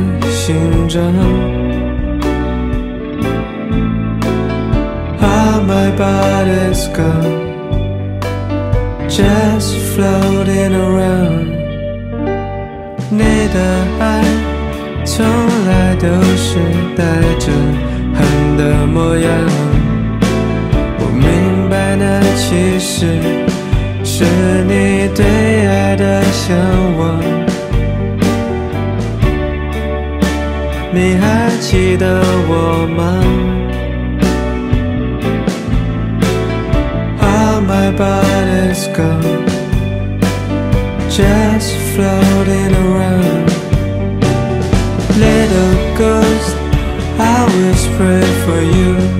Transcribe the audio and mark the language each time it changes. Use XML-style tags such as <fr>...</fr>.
<zh>像你落寞的肩膀，也觉得我有某种奇怪的倾向，想成为别的形状。</zh> <en>Ah, my body's gone, just floating around.</en> <zh>你的爱从来都是带着恨的模样，我明白那其实是你对爱的向往。你还记得我吗？</zh> <en>All my body's gone, just floating around. Little ghost, I always pray for you.</en>